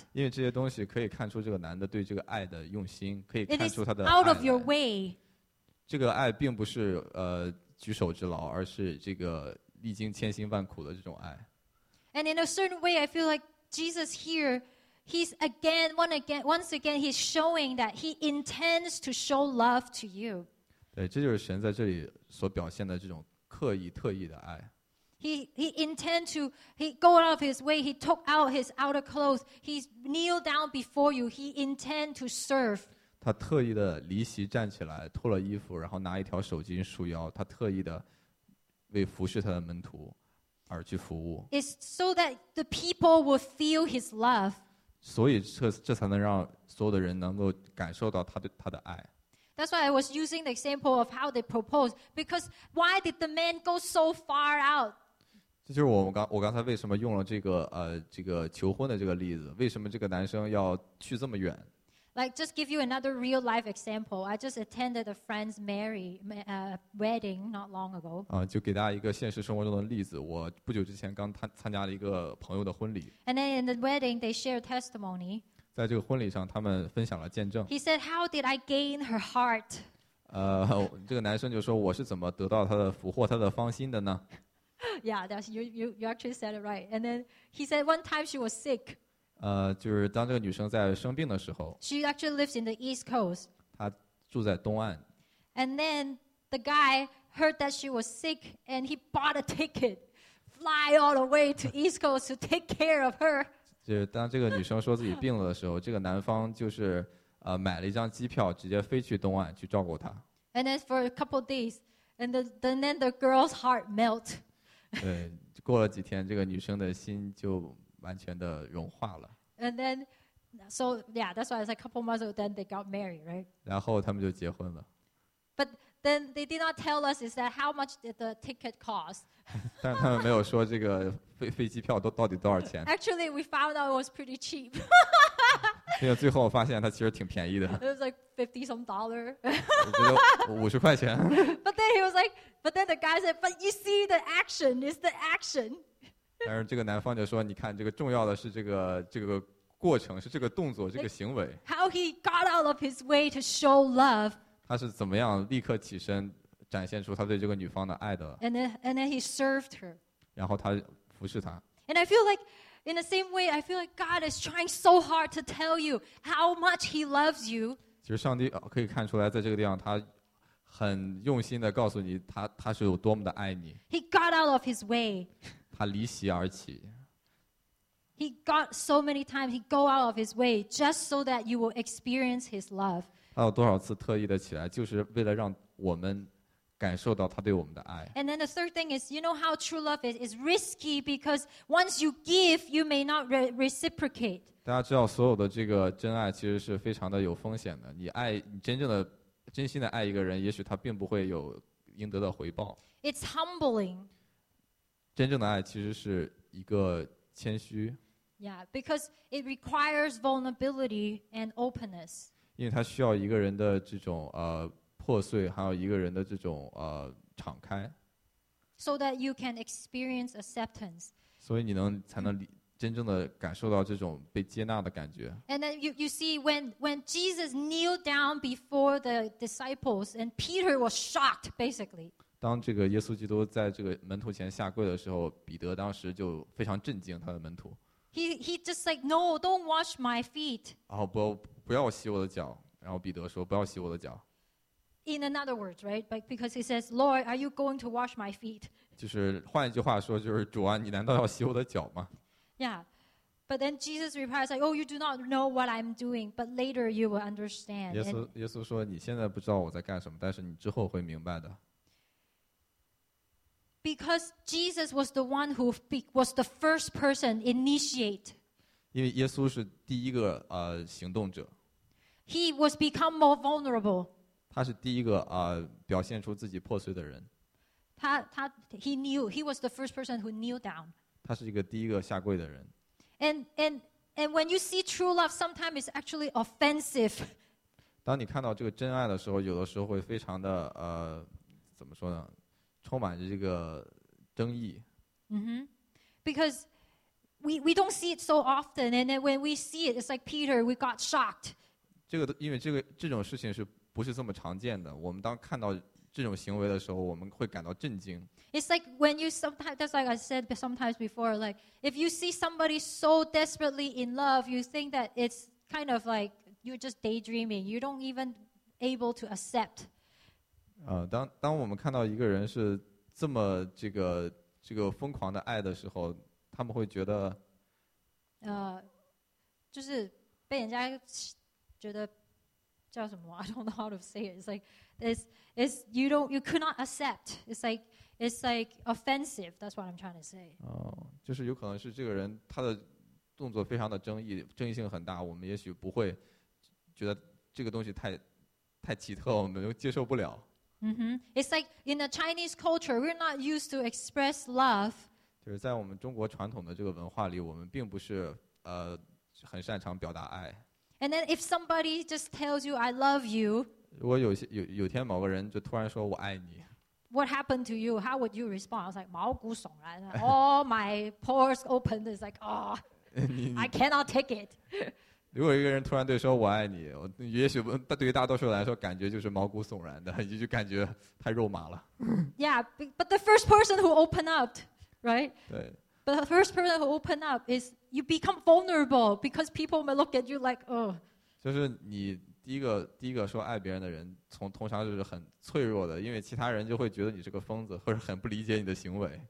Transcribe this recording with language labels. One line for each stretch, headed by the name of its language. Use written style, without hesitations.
Chinese: 因为这些东西可以看出这个男的对这个爱的用心，可以看出他的爱。
English: It is out of your way.
Chinese: 这个爱并不是举手之劳，而是这个历经千辛万苦的这种爱。
English: And in a certain way, I feel like Jesus here, he's again, once again, he's showing that he intends to show love to you.
Chinese: 对，这就是神在这里所表现的这种刻意特意的爱。
English: He go out of his way. He took out his outer clothes. He kneeled down before you. He intend to serve.
Chinese: 他特意的离席站起来，脱了衣服，然后拿一条手巾束腰。他特意的为服侍他的门徒而去服务。
English: It's so that the people will feel his love.
Chinese: 所以这才能让所有的人能够感受到他的爱。
English: That's why I was using the example of how they proposed. Because why did the man go so far out?
Chinese: 这就是我刚才为什么用了这个求婚的这个例子？为什么这个男生要去这么远
English: ？Like just give you another real life example. I just attended a friend's wedding not long ago.
Chinese: 就给大家一个现实生活中的例子。我不久之前刚参加了一个朋友的婚礼。
English: And then in the wedding, they share testimony.
Chinese: 在这个婚礼上，他们分享了见证。
English: He said, "How did I gain her heart?"
Chinese: 这个男生就说，我是怎么得到她的俘获、她的芳心的呢
English: ？Yeah, that's you actually said it right. And then he said, "One time she was sick."
Chinese: 就是当这个女生在生病的时候。
English: She actually lives in the East Coast.
Chinese: 她住在东岸。
English: And then the guy heard that she was sick, and he bought a ticket, fly all the way to East Coast to take care of her.
Chinese: 就是当这个女生说自己病了的时候，这个男方就是买了一张机票，直接飞去东岸去照顾她。
English: And then for a couple days, and then the girl's heart melt.
Chinese: 对，过了几天，这个女生的心就完全的融化了。
English: And then, so yeah, that's why it's like a couple months ago. Then they got married, right?
Chinese: 然后他们就结婚了。
English: But then they did not tell us is that how much did the ticket cost?
Chinese: 但他们没有说这个。飞机票都到底多少钱
English: ？Actually, we found out it was pretty cheap.
Chinese: 因为最后我发现它其实挺便宜的。
English: It was like $50 some.
Chinese: 我觉得50块钱。
English: But then he was like, but then the guy said, but you see the action, it's the action.
Chinese: 但是这个男方就说，你看这个重要的是这个过程，是这个动作，这个行为。
English: How he got out of his way to show love.
Chinese: 他是怎么样立刻起身，展现出他对这个女方的爱的
English: ？And then he served her.
Chinese: 然后他。服侍他。
English: And I feel like, in the same way, I feel like God is trying so hard to tell you how much He loves you.
Chinese: 其实上帝可以看出来，在这个地方，他很用心的告诉你，他是有多么的爱你。
English: He got out of His way.
Chinese: 他离席而起。
English: He got so many times He go out of His way just so that you will experience His love.
Chinese: 他有多少次特意的起来，就是为了让我们。感受到他对我们的爱。
English: And then the third thing is, you know how true love is? It's risky because once you give, you may not reciprocate.
Chinese: 大家知道所有的这个真爱其实是非常的有风险的。你真正的真心的爱一个人，也许他并不会有应得的回报。
English: It's humbling.
Chinese: 真正的爱其实是一个谦虚。
English: Yeah, because it requires vulnerability and openness.
Chinese: 因为它需要一个人的这种破碎，还有一个人的这种敞开
English: ，so that you can experience acceptance.
Chinese: 所以你能才能真正的感受到这种被接纳的感觉。
English: And then you see when Jesus kneeled down before the disciples, and Peter was shocked, basically.
Chinese: 当这个耶稣基督在这个门徒前下跪的时候，彼得当时就非常震惊，他的门徒。
English: He just like no, don't wash my feet.
Chinese: 不要洗我的脚。然后彼得说，不要洗我的脚。
English: In another words, right? Because he says, "Lord, are you going to wash my feet?"
Chinese: 就是换一句话说，就是主啊，你难道要洗我的脚吗
English: ？Yeah, but then Jesus replies, "Like, oh, you do not know what I'm doing, but later you will understand."
Chinese: 耶稣说，你现在不知道我在干什么，但是你之后会明白的。
English: Because Jesus was the one who was the first person initiate.
Chinese: 因为耶稣是第一个行动者。
English: He was become more vulnerable.
Chinese: 他是第一个啊，表现出自己破碎的人。他
English: he knew he was the first person who knelt down.
Chinese: 他是一个第一个下跪的人。
English: And when you see true love, sometimes it's actually offensive.
Chinese: 当你看到这个真爱的时候，有的时候会非常的怎么说呢？充满着这个争议。 Mm-hmm.
English: Because we don't see it so often, and then when we see it, it's like Peter, we got shocked.
Chinese: 这个因为这种事情是不是这么常见的？我们当看到这种行为的时候，我们会感到震惊。
English: It's like when you sometimes, that's like I said sometimes before, like if you see somebody so desperately in love, you think that it's kind of like you're just daydreaming. You don't even able to accept.
Chinese: 当我们看到一个人是这么这个疯狂的爱的时候，他们会觉得，就是被人家觉得叫什么
English: ？I don't know how to say it. It's like it's you don't you could not accept. It's like offensive. That's what I'm trying to say.
Chinese: 就是有可能是这个人他的动作非常的争议性很大，我们也许不会觉得这个东西太奇特，我们接受不了。 Mm-hmm.
English: It's like in the Chinese culture, we're not used to express love.
Chinese: 就是在我们中国传统的这个文化里，我们并不是很擅长表达爱。
English: And then if somebody just tells you I love you,
Chinese: 如果有天某个人就突然说我爱你，
English: what happened to you? How would you respond? I was like
Chinese: 毛骨悚然，
English: all my pores opened. It's like oh, I cannot take it.
Chinese: 如果一个人突然对说我爱你，我也许对于大多数人来说感觉就是毛骨悚然的，就感觉太肉麻了。
English: Yeah, but the first person who opened up, right?
Chinese: 对。
English: But the first person who opened up is you become vulnerable because people may look at you like, oh.
Chinese: 就是你第一个说爱别人的人，通常就是很脆弱的，因为其他人就会觉得你是个疯子，或者很不理解你的行为。